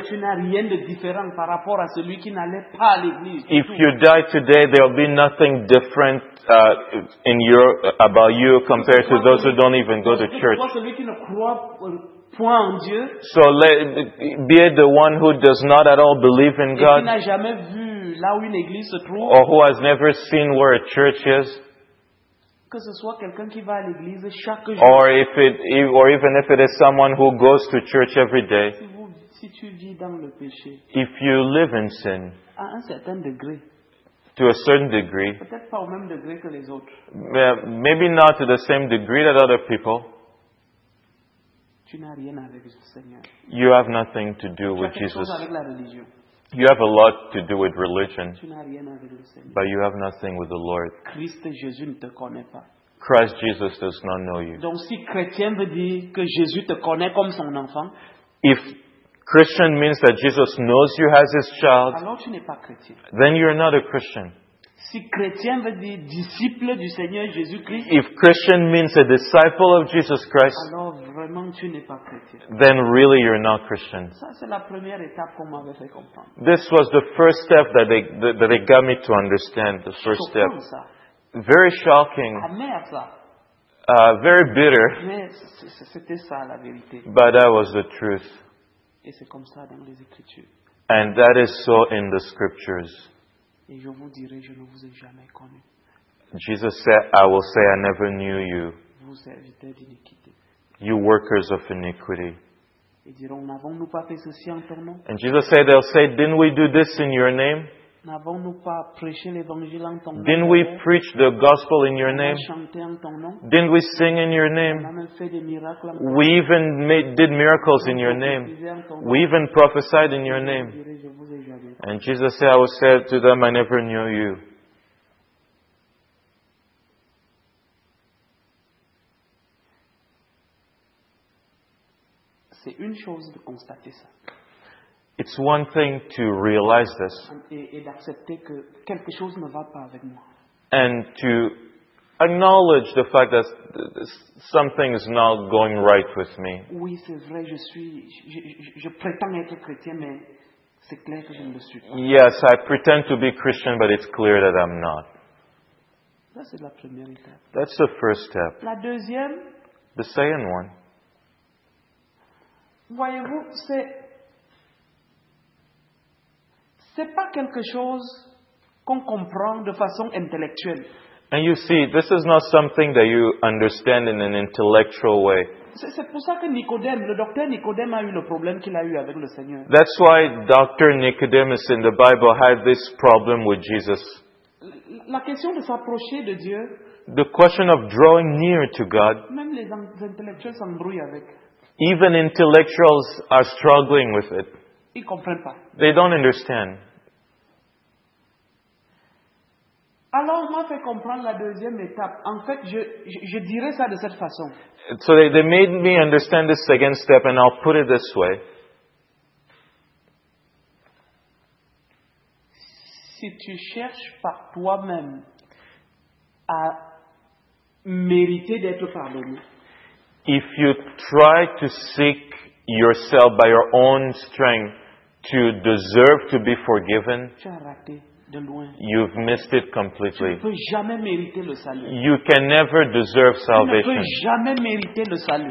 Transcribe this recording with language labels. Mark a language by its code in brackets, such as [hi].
[en] If you die today, there will be nothing different in your about you compared to those who don't even go to church. So be it the one who does not at all believe in God, [fr] là où une église se trouve, [en] or who has never seen where a church is, [fr] que ce soit quelqu'un qui va à l'église chaque jour, [en] or even if it is someone who goes to church every day, [fr] si tu vis dans le péché, [en] if you live in sin, [fr] à un certain degré, [en] to a certain degree, [fr] peut-être pas au même degré que les autres, [en] maybe not to the same degree that other people, [fr] tu n'as rien avec le Seigneur. [en] You have nothing to do with Jesus. [fr] Tu as quelque chose avec la religion. [en] You have a lot to do with religion, [fr] tu n'as rien avec le Seigneur, [en] but you have nothing with the Lord. [fr] Christ Jésus ne te connaît pas. [en] Christ Jesus does not know you. [fr] Donc si chrétien veut dire que Jésus te connaît comme son enfant, [en] if Christian means that Jesus knows you as his child, [fr] alors tu n'es pas chrétien. [en] Then you are not a Christian. [fr] Si chrétien veut dire disciple du Seigneur Jésus Christ, [en] if Christian means a disciple of Jesus Christ, [fr] alors vraiment tu n'es pas chrétien. [en] Then really you're not Christian. [fr] Ça c'est la première étape qu'on m'avait fait comprendre. [en] This was the first step that they got me to understand. The first step. [fr] Ça. [en] Very shocking. [fr] Amère, ça. [en] Very bitter. [fr] Mais c'était ça la vérité. [en] But that was the truth. [fr] Et c'est comme ça dans les Écritures. [en] And that is so in the Scriptures. [fr] Et je vous dirai, je ne vous ai jamais connu. [en] Jesus said, I will say, I never knew you. [fr] Vous serviteurs d'iniquité. [en] You workers of iniquity. [fr] Ils diront, n'avons-nous pas fait ceci en ton nom? [en] And Jesus said, they'll say, didn't we do this in your name? [fr] N'avons-nous pas prêché l'évangile en ton nom? [en] Didn't we preach the gospel in your name? [fr] Chanter en ton nom? [en] Didn't we sing in your name? [fr] On a même fait des miracles. [en] We even did miracles in your name. We even prophesied in your name. And Jesus said, I will say to them, I never knew you. [fr] C'est une chose de constater ça. [en] It's one thing to realize this. [fr] Et d'accepter que quelque chose ne va pas avec moi. [en] And to acknowledge the fact that something is not going right with me. [fr] Oui, c'est vrai, je prétends être chrétien, mais c'est clair que je ne le suis pas. [en] Yes, I pretend to be Christian, but it's clear that I'm not. [fr] Ça, c'est la première étape. [en] That's the first step. [fr] La deuxième. [en] The second one. [fr] Voyez-vous, c'est pas quelque chose qu'on comprend de façon intellectuelle. [en] And you see, this is not something that you understand in an intellectual way. [fr] C'est pour ça que Nicodème, le docteur Nicodème a eu le problème qu'il a eu avec le Seigneur. [en] That's why Dr. Nicodemus in the Bible had this problem with Jesus. [fr] La question de s'approcher de Dieu. [en] The question of drawing near to God. [fr] Même les intellectuels s'embrouillent avec. [en] Even intellectuals are struggling with it. [fr] Ils comprennent pas. [en] They don't understand. [fr] Alors, on m'a fait comprendre la deuxième étape. En fait, je dirais ça de cette façon. [en] So they made me understand the second step, and I'll put it this way. [fr] Si tu cherches par toi-même à mériter d'être pardonné. [en] If you try to seek yourself by your own strength to deserve to be forgiven, [fr] de loin. [en] You've missed it completely. [fr] Tu ne peux jamais mériter le salut. [en] You can never deserve salvation. [fr] Tu ne peux jamais mériter le salut.